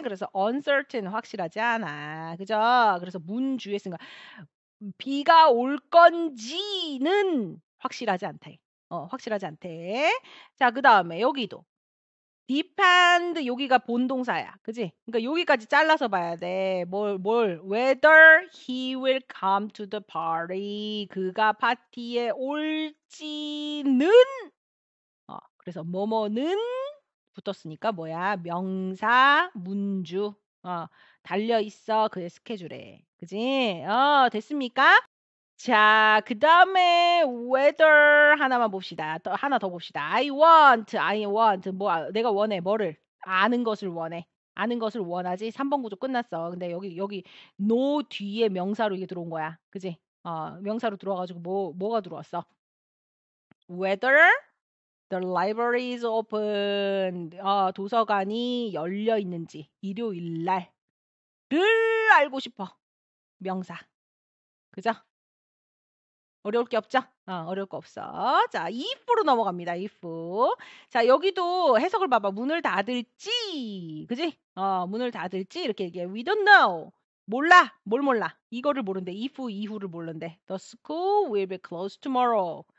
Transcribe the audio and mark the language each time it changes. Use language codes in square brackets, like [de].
[ko] 그래서 uncertain, 확실하지 않아. 그죠? 그래서 문주에 쓴 거야. 비가 올 건지는 확실하지 않대. 어, 확실하지 않대. 자, 그 다음에 여기도. depend, 여기가 본동사야. 그지? 그러니까 여기까지 잘라서 봐야 돼. 뭘. [en] whether he will come to the party. [ko] 그가 파티에 올지는. 어, 그래서 뭐뭐는. 붙었으니까 뭐야? 명사 문주. 어, 달려 있어 그의 스케줄에. 그지? 어, 됐습니까? 자, 그다음에 whether 하나만 봅시다. 더, 하나 더 봅시다. [en] I want [ko] 뭐 내가 원해. 뭐를? 아는 것을 원해. 아는 것을 원하지. 3번 구조 끝났어. 근데 여기 no 뒤에 명사로 이게 들어온 거야. 그지? 어, 명사로 들어와 가지고 뭐가 들어왔어? [en] whether The library is open. [ko] 어, 도서관이 열려 있는지 일요일 날을 알고 싶어. 명사. 그죠? 어려울 게 없죠? 어, 어려울 거 없어. 자, if로 넘어갑니다. if. 자, 여기도 해석을 봐봐. 문을 닫을지. 그지? 어, 문을 닫을지 이렇게 얘기해. [en] We don't know. [ko] 몰라. 뭘 몰라. 이거를 모른대. if 이후를 모른대. [en] The school will be closed tomorrow.